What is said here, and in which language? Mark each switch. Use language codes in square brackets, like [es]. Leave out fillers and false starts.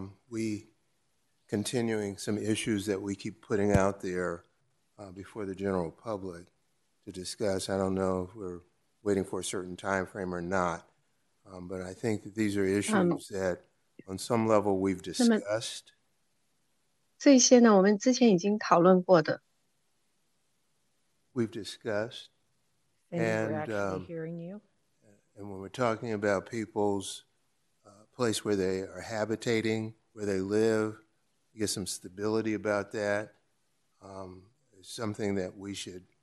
[en] We continuing some issues that we keep putting out there before the general public. To discuss, I don't know if we're waiting for a certain time frame or not, but I think that these are issues that, on some level, we've discussed. [zh] 这些呢，我们之前已经讨论过的。 [en] We've discussed, and we're actually hearing you. And when we're talking about people's place where they are habitating, where they live, get some stability about that, is something that we should.